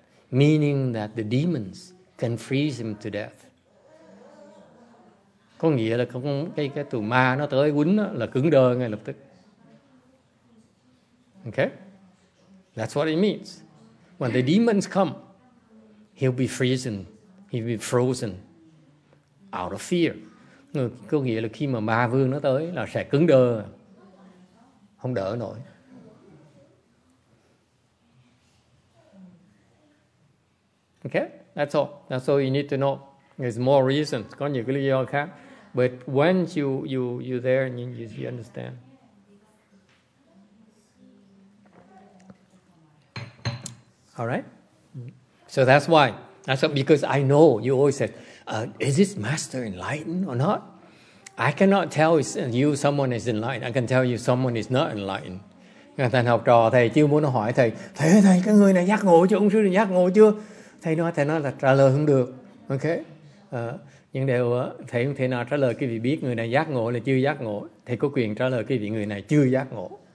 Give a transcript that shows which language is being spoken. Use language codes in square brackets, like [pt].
[en] Meaning that the demons can freeze him to death. [vi] Có nghĩa là cái tù ma nó tới quýnh đó, là cứng đơ ngay lập tức. [en] Okay? That's what it means. When the demons come, he'll be frozen out of fear. [vi] Có nghĩa là khi mà ma vương nó tới là sẽ cứng đơ, không đỡ nổi. [en] Okay, that's all you need to know. There's more reasons. [vi] Có nhiều cái lý do khác. [en] But once you there and you understand. All right? So that's why. That's because I know you always said, is this master enlightened or not? I cannot tell you someone is enlightened. I can tell you someone is not enlightened. [vi] Người ta học trò thầy chưa muốn hỏi thầy, thế thầy cái người này giác ngộ chưa? Ông sư này giác ngộ chưa? Thầy nói là trả lời không được. [en] Okay? [vi] Nhưng đều thầy không thể nào trả lời cái vị biết người này giác ngộ là chưa giác ngộ. Thầy có quyền trả lời cái vị người này chưa giác ngộ.